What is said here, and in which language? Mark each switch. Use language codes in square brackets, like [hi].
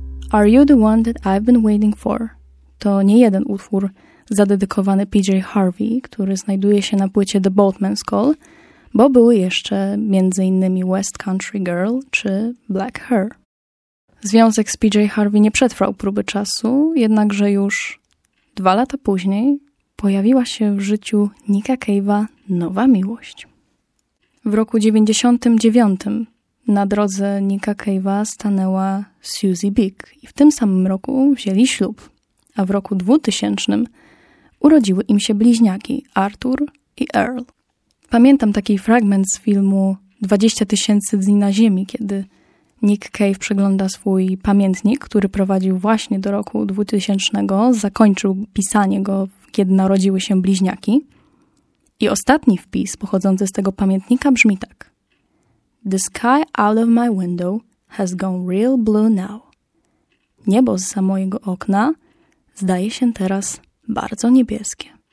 [en] Are You the One That I've Been Waiting For? [pl] To nie jeden utwór zadedykowany PJ Harvey, który znajduje się na płycie The Boatman's Call, bo były jeszcze m.in. West Country Girl czy Black Her. Związek z PJ Harvey nie przetrwał próby czasu, jednakże już 2 lata później pojawiła się w życiu Nicka Cave'a nowa miłość. W roku 1999 na drodze Nicka Cave'a stanęła Susie Big i w tym samym roku wzięli ślub, a w roku 2000 urodziły im się bliźniaki Arthur i Earl. Pamiętam taki fragment z filmu 20 tysięcy dni na ziemi, kiedy Nick Cave przegląda swój pamiętnik, który prowadził właśnie do roku 2000, zakończył pisanie go, kiedy narodziły się bliźniaki. I ostatni wpis pochodzący z tego pamiętnika brzmi tak. [en] The sky out of my window has gone real blue now. [pl] Niebo zza mojego okna zdaje się teraz bardzo niebieskie.